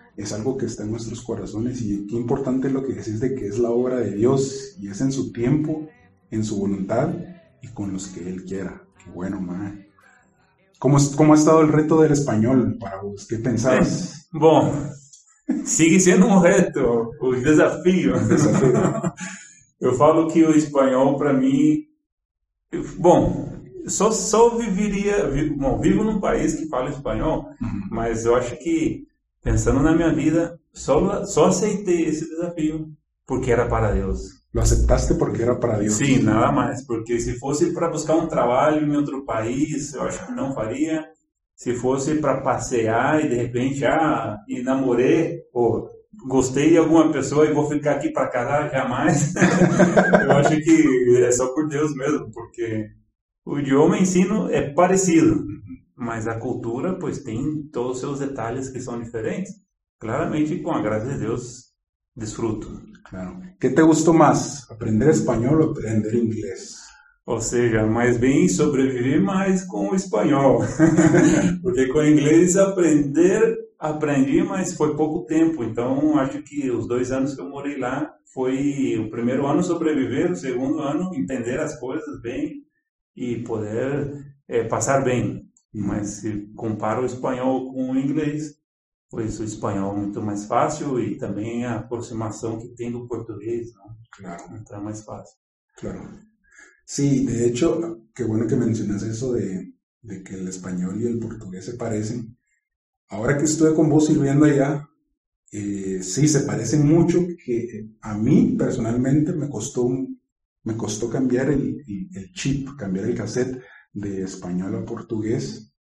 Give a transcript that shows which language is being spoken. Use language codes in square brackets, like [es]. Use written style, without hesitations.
[es] Es algo que está en nuestros corazones y qué importante lo que decís de que es la obra de Dios y es en su tiempo, en su voluntad y con los que Él quiera. Qué bueno, mae. ¿Cómo ha estado el reto del español para vos? ¿Qué pensás? Bueno, sigue siendo un reto, un desafío. Yo falo que el español para mí... Bueno... Só viviría... [pt] Bom, vivo num país que fala espanhol, mas eu acho que... Pensando na minha vida, só aceitei esse desafio porque era para Deus. [es] Lo aceptaste porque era para Deus? [pt] Sim, nada mais. Porque se fosse para buscar um trabalho em outro país, eu acho que não faria. Se fosse para passear e de repente, namorei ou gostei de alguma pessoa e vou ficar aqui para casar, jamais. Eu acho que é só por Deus mesmo, porque o idioma em si é parecido, Mas a cultura, pois, tem todos os seus detalhes que são diferentes. Claramente, com a graça de Deus, desfruto. Claro. [es] ¿Qué te gustó más, aprender español o aprender inglés? [pt] Ou seja, mais bem sobreviver mais com o espanhol. Porque com o inglês aprendi, mas foi pouco tempo. Então, acho que os 2 anos que eu morei lá, foi o primeiro ano sobreviver, o segundo ano entender as coisas bem e poder passar bem. Mas se comparo o espanhol com o inglês, pois o espanhol é muito mais fácil e também a aproximação que tem do português, né? Claro. Então é mais fácil. Claro. [es] Sí, de hecho, qué bueno que mencionas eso de que el español y el portugués se parecen. Ahora que estuve con vos sirviendo allá, sí, se parecen mucho, que a mí personalmente me costó cambiar el chip, cambiar el cassette de español a portugués.